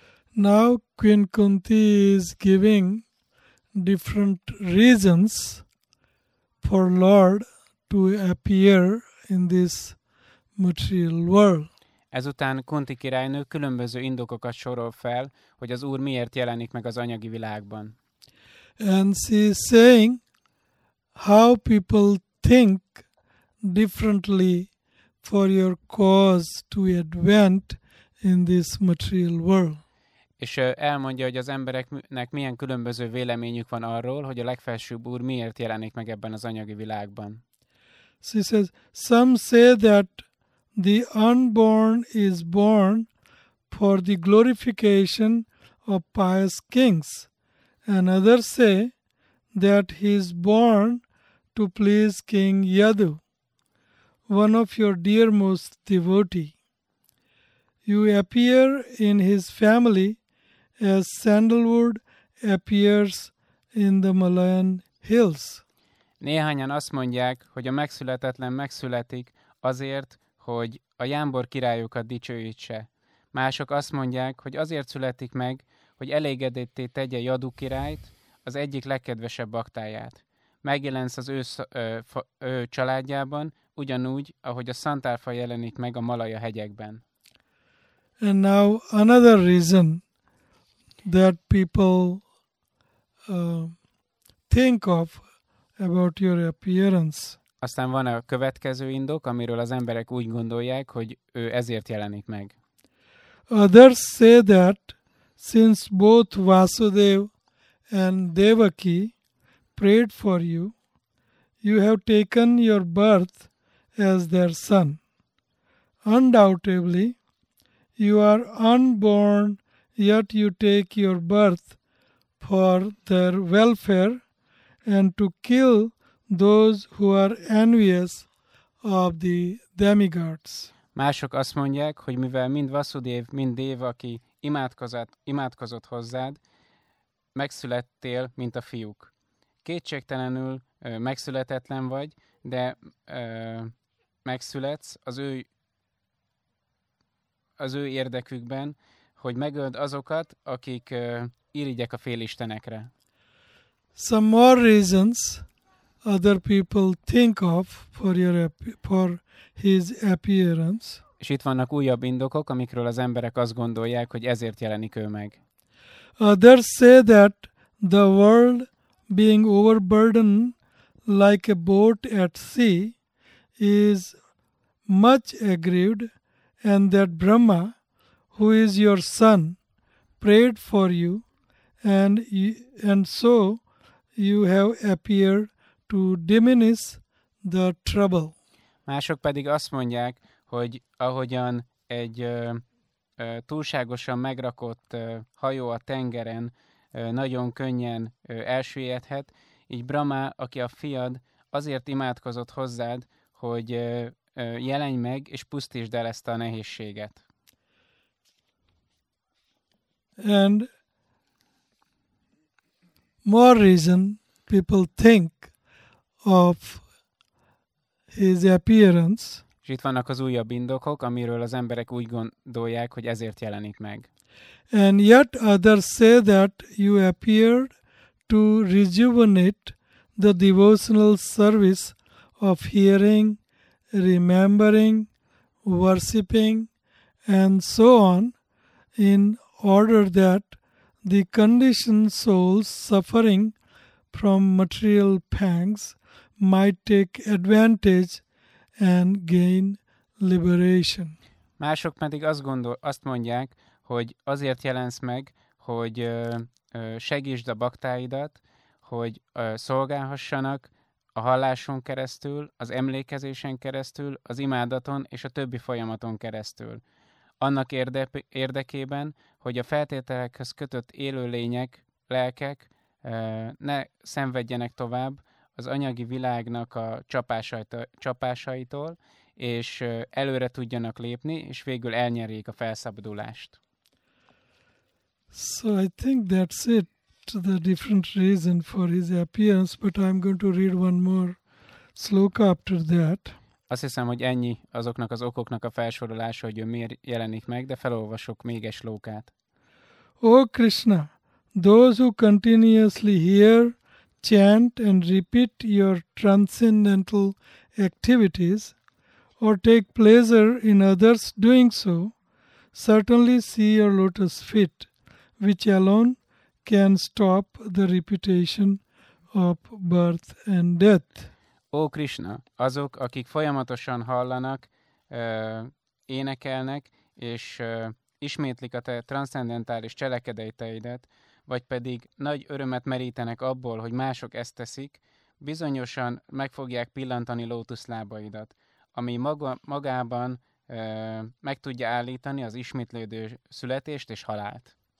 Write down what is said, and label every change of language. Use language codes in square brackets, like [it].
[en] Now Queen Kunti is giving different reasons for Lord to appear in this material world. [hu] Ezután Kunti királynő különböző indokokat sorol fel, hogy az Úr miért jelenik meg az anyagi világban. [en] And she is saying how people think differently for your cause to advance in this material world. [hu] És elmondja, hogy az embereknek milyen különböző véleményük van arról, hogy a legfelsőbb Úr miért jelenik meg ebben az anyagi világban. [en] She says, some say that the unborn is born for the glorification of pious kings. And others say that he is born to please King Yadu, one of your dearmost devotee. You appear in his family as sandalwood appears in the Malayan hills. [hu] Néhányan azt mondják, hogy a megszületetlen megszületik azért, hogy a jámbor királyokat dicsőítse. Mások azt mondják, hogy azért születik meg, hogy elégedetté tegye Yadu királyt, az egyik legkedvesebb baktáját. Megjelensz az ő családjában, ugyanúgy, ahogy a szantálfa jelenik meg a Malaja hegyekben. [en] And now another reason that people think of about your appearance. [hu] Aztán van a következő indok, amiről az emberek úgy gondolják, hogy ő ezért jelenik meg. [en] Others say that since both Vasudev and Devaki prayed for you, you have taken your birth as their son. Undoubtedly, you are unborn, yet you take your birth for their welfare and to kill those who are envious of the demigods. [hu] Mások azt mondják, hogy mivel mind Vasudev, mind Devaki imádkozott hozzád, megszülettél, mint a fiúk. Kétségtelenül megszületetlen vagy, de megszületsz az ő érdekükben, hogy megöld azokat, akik irigyek a félistenekre. [en] Some more reasons other people think of for his appearance. [hu] És itt vannak újabb indokok, amikről az emberek azt gondolják, hogy ezért jelenik ő meg. [en] Others say that the world being overburdened like a boat at sea is much aggrieved, and that Brahma, who is your son, prayed for you, and so you have appeared to diminish the trouble. [hu] Mások pedig azt mondják, hogy ahogyan egy túlságosan megrakott hajó a tengeren nagyon könnyen elsüllyedhet, így Brahma, aki a fiad, azért imádkozott hozzád, hogy jelenj meg és pusztítsd el ezt a nehézséget. [en] And more reason people think of his appearance. [hu] És itt vannak az újabb indokok, amiről az emberek úgy gondolják, hogy ezért jelenik meg. [en] And yet others say that you appeared to rejuvenate the devotional service of hearing, remembering, worshipping, and so on, in order that the conditioned souls suffering from material pangs might take advantage and gain liberation. [hu] Mások pedig azt mondják, hogy azért jelensz meg, hogy segítsd a baktáidat, hogy szolgálhassanak a halláson keresztül, az emlékezésen keresztül, az imádaton és a többi folyamaton keresztül. Annak érdekében, hogy a feltételekhez kötött élőlények, lelkek ne szenvedjenek tovább az anyagi világnak a csapásaitól, és előre tudjanak lépni, és végül elnyerjék a felszabadulást. [en] So I think that's it, the different reason for his appearance, but I'm going to read one more sloka after that. [hu] Azt hiszem, hogy ennyi azoknak az okoknak a felsorolása, hogy ő miért jelenik meg, de felolvasok még egy slókát. [en] O Krishna, those who continuously hear, chant and repeat your transcendental activities or take pleasure in others doing so, certainly see your lotus feet, which alone can stop the repetition of birth and death. [hu] Ó Krishna, azok, akik folyamatosan hallanak, énekelnek, és ismétlik a te transzcendentális cselekedeteidet, vagy pedig nagy örömet merítenek abból, hogy mások ezt teszik, bizonyosan meg fogják pillantani lótuszlábaidat, ami magában meg tudja állítani az ismétlődő születést és halált.